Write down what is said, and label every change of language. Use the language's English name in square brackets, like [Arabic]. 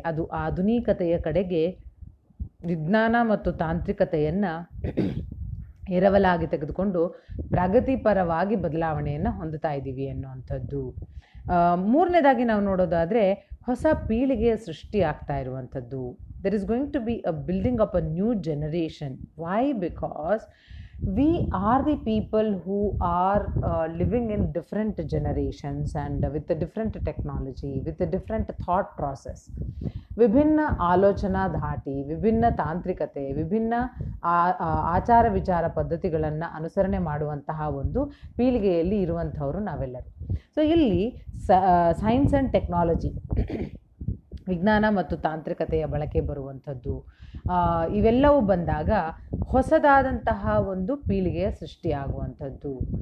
[Kannada] ಅದು ಆಧುನಿಕತೆಯ ಕಡೆಗೆ ವಿಜ್ಞಾನ ಮತ್ತು ತಾಂತ್ರಿಕತೆಯನ್ನು ಎರವಲಾಗಿ ತೆಗೆದುಕೊಂಡು ಪ್ರಗತಿಪರವಾಗಿ ಬದಲಾವಣೆಯನ್ನು ಹೊಂದುತ್ತಾ ಇದ್ದೀವಿ ಅನ್ನುವಂಥದ್ದು. ಮೂರನೇದಾಗಿ ನಾವು ನೋಡೋದಾದರೆ ಹೊಸ ಪೀಳಿಗೆಯ ಸೃಷ್ಟಿ ಆಗ್ತಾ ಇರುವಂಥದ್ದು. [English] There is going to be a building up a new generation. Why? Because we are the people who are living in different generations and with a different technology, with a different thought process. [Kannada] ವಿಭಿನ್ನ ಆಲೋಚನಾ ಧಾಟಿ, ವಿಭಿನ್ನ ತಾಂತ್ರಿಕತೆ, ವಿಭಿನ್ನ ಆಚಾರ ವಿಚಾರ ಪದ್ಧತಿಗಳನ್ನು ಅನುಸರಣೆ ಮಾಡುವಂತಹ ಒಂದು ಪೀಳಿಗೆಯಲ್ಲಿ ಇರುವಂಥವರು ನಾವೆಲ್ಲರೂ. ಸೊ ಇಲ್ಲಿ [English] science and technology, [Kannada] ವಿಜ್ಞಾನ ಮತ್ತು ತಾಂತ್ರಿಕತೆಯ ಬಳಕೆ ಬರುವಂಥದ್ದು, ಇವೆಲ್ಲವೂ ಬಂದಾಗ ಹೊಸದಾದಂತಹ ಒಂದು ಪೀಳಿಗೆಯ ಸೃಷ್ಟಿಯಾಗುವಂಥದ್ದು.